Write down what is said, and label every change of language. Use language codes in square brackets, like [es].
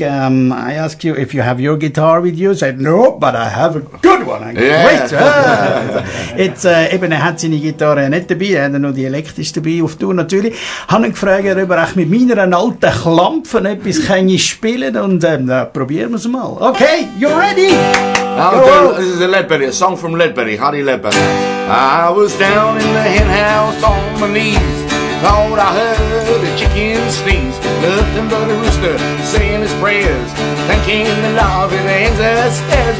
[en] I asked you if you have your guitar with you. You said, no, but I have a good one. Great. It's [de] eben, er hat seine Gitarre nicht dabei. Er hat noch die elektrisch dabei auf Tour natürlich. Habe ihn gefragt, ob er mit meiner alten Klampfen etwas kann ich spielen. Und probieren wir es mal. Okay, [en] you ready? This is a Leadbelly, a song from Leadbelly, Harry Leadbelly. I was down in the hen house on my knees. Thought I heard a chicken sneeze. Nothing but a rooster saying his prayers. Thanking the Lord in the ends of the stairs.